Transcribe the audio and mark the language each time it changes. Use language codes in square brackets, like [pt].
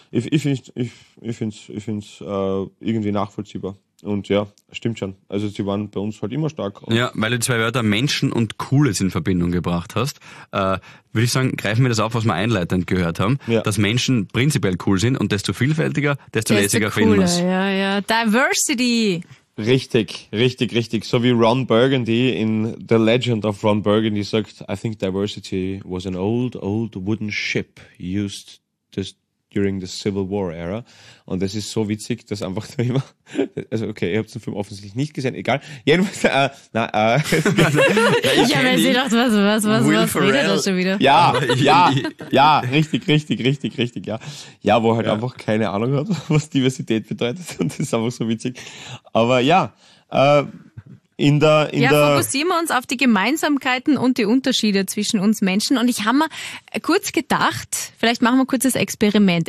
[de] Ich finde es irgendwie nachvollziehbar. Und ja, stimmt schon. Also sie waren bei uns halt immer stark. Ja, weil du zwei Wörter Menschen und Cooles in Verbindung gebracht hast, würde ich sagen, greifen wir das auf, was wir einleitend gehört haben, dass Menschen prinzipiell cool sind und desto vielfältiger, desto lässiger finden wir es. Ja. Diversity! Richtig. So wie Ron Burgundy in The Legend of Ron Burgundy sagt, [en] I think diversity was an old, old wooden ship used just during the Civil War era. [de] Und das ist so witzig, dass einfach da immer, also okay, ihr habt den Film offensichtlich nicht gesehen, egal. Jedenfalls, was redet er da schon wieder? Ja, richtig, ja. Ja, wo halt einfach keine Ahnung hat, was Diversität bedeutet. Und das ist einfach so witzig. Aber ja, fokussieren wir uns auf die Gemeinsamkeiten und die Unterschiede zwischen uns Menschen. Und ich habe mir kurz gedacht, vielleicht machen wir ein kurzes Experiment.